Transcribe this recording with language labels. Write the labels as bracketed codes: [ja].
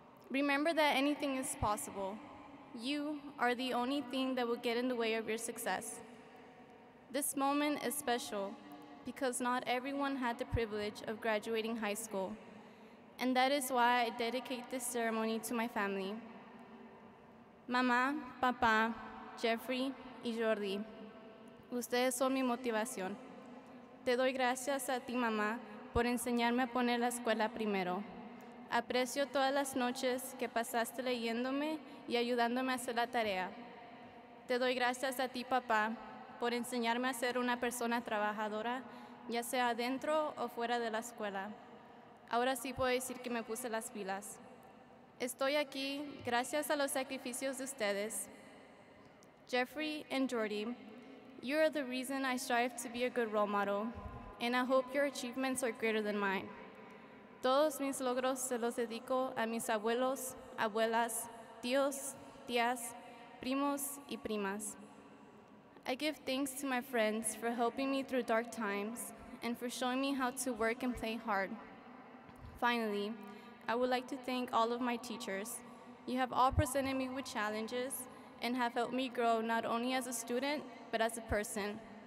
[en] Remember that anything is possible. You are the only thing that will get in the way of your success. This moment is special because not everyone had the privilege of graduating high school, and that is why I dedicate this ceremony to my family. [es] Mama, Papa, Jeffrey, y Jordi, ustedes son mi motivación. Te doy gracias a ti, mamá, por enseñarme a poner la escuela primero. Aprecio todas las noches que pasaste leyéndome y ayudándome a hacer la tarea. Te doy gracias a ti, papá, por enseñarme a ser una persona trabajadora, ya sea adentro o fuera de la escuela. Ahora sí puedo decir que me puse las pilas. Estoy aquí gracias a los sacrificios de ustedes. [en] Jeffrey and Jordy, you are the reason I strive to be a good role model, and I hope your achievements are greater than mine. [es] Todos mis logros se los dedico a mis abuelos, abuelas, tíos, tías, primos y primas. [en] I give thanks to my friends for helping me through dark times and for showing me how to work and play hard. Finally, I would like to thank all of my teachers. You have all presented me with challenges and have helped me grow not only as a student, but as a person.